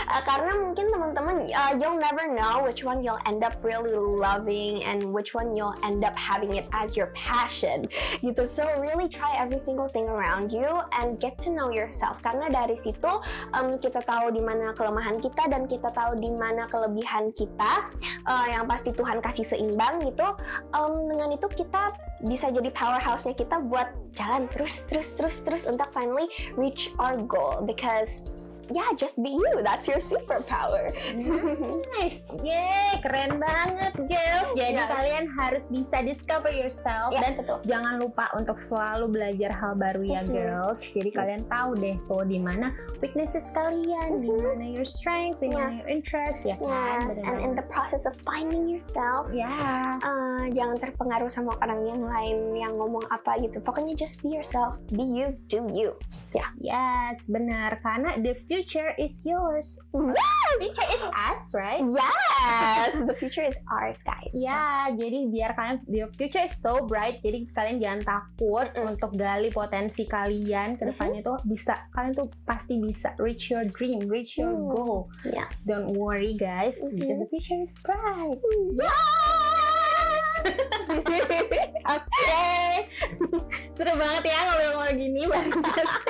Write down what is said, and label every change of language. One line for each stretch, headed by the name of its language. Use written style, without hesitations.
Indonesian: Karena mungkin teman-teman,
English: you'll never know which one you'll end up really loving and which one you'll end up having it as your passion.
Indonesian: Gitu.
English: So really try every single thing around you and get to know yourself.
Indonesian: Karena dari situ kita tahu di mana kelemahan kita dan kita tahu di mana kelebihan kita. Yang pasti Tuhan kasih seimbang gitu. Dengan itu kita bisa jadi powerhouse-nya kita buat jalan terus untuk
English: finally reach our goal, because yeah, just be you. That's your superpower.
Indonesian: Nice. Yay, keren banget, girls. Jadi yeah, kalian harus bisa
English: discover yourself,
Indonesian: yeah, dan betul, jangan lupa untuk selalu belajar hal baru ya, girls. Jadi kalian tahu deh tuh di mana weaknesses kalian, di mana
English: your strength,
Indonesian: di mana yes, your interest, ya.
English: Yes, kan? And in the process of finding yourself, yeah,
Indonesian: jangan terpengaruh sama orang yang lain yang ngomong apa gitu. Pokoknya
English: just be yourself, be you, do you. Yeah. Yes,
Indonesian: benar. Karena
English: the future is yours. Yes, future is us, right? Yes, the future is ours, guys. Ya, yeah,
Indonesian: jadi biar kalian,
English: your future is so bright.
Indonesian: Jadi kalian jangan takut untuk gali potensi kalian ke depannya tuh bisa. Kalian tuh pasti bisa
English: reach your dream, reach your goal. Yes. Don't worry, guys. Because the future is bright. Yes.
Indonesian: Oke. Okay. Seru banget ya ngobrol-ngobrol gini banget.